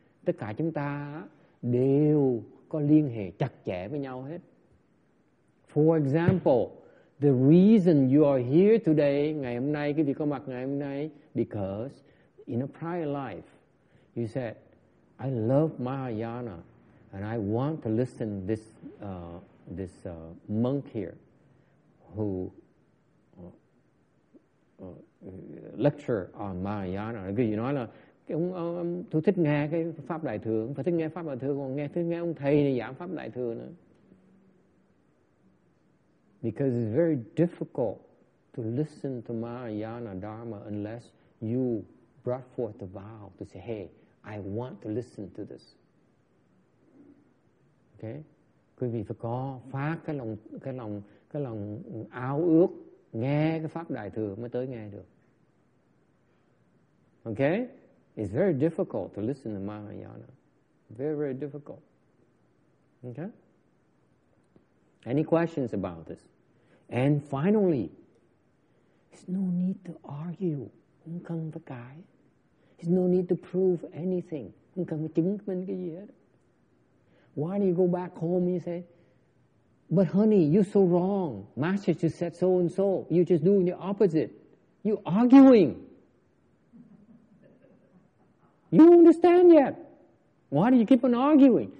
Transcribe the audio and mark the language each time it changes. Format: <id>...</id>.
<vi>Tất cả chúng ta đều có liên hệ chặt chẽ với nhau hết.</vi> <en>For example, the reason you are here today,</en> <vi>ngày hôm nay, cái vị có mặt ngày hôm nay,</vi> <en>because in a prior life, you said, I love Mahayana. And I want to listen to this monk here who lecture on Mahayana.</en> <vi>Cái gì nói là tôi thích nghe cái Pháp Đại Thừa, không phải thích nghe Pháp Đại Thừa, còn thích nghe ông thầy này giảng Pháp Đại Thừa nữa.</vi> <en>Because it's very difficult to listen to Mahayana Dharma unless you brought forth the vow to say, hey, I want to listen to this. Okay.</en> <vi>Quý vị phải có phát cái lòng ao ước nghe cái Pháp Đại Thừa mới tới nghe được.</vi> <en>Okay? It's very difficult to listen to Mahayana. Very, very difficult. Okay? Any questions about this? And finally, there's no need to argue.</en> <vi>Không cần phải cãi.</vi> <en>There's no need to prove anything. Why do you go back home and you say, but honey, you're so wrong. Master just said so and so. You're just doing the opposite. You're arguing. You don't understand yet. Why do you keep on arguing?</en>